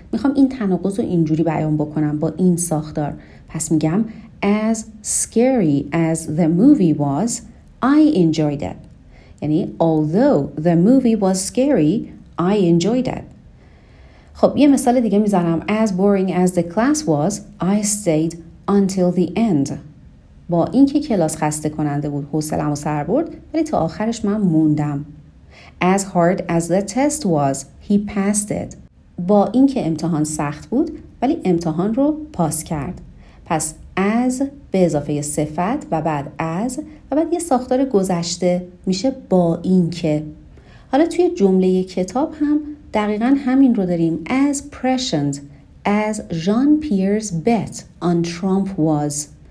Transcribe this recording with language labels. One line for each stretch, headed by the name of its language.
Persian: میخوام این تناقض رو اینجوری بیان بکنم با این ساختار، پس میگم
English: as scary as the movie was I enjoyed it، یعنی although the movie was scary I enjoyed it.
Persian: خب یه مثال دیگه میزنم،
English: as boring as the class was I stayed until the end.
Persian: با اینکه کلاس خسته کننده بود حوصله‌ام رو سر برد، ولی تا آخرش من موندم.
English: As hard as the test was he passed it.
Persian: با اینکه امتحان سخت بود ولی امتحان رو پاس کرد. پس از به اضافه صفت و بعد از و بعد یه ساختار گذشته میشه با اینکه. حالا توی جمله کتاب هم دقیقا همین رو داریم،
English: as prescient as Jean-Pierre's bet on Trump was.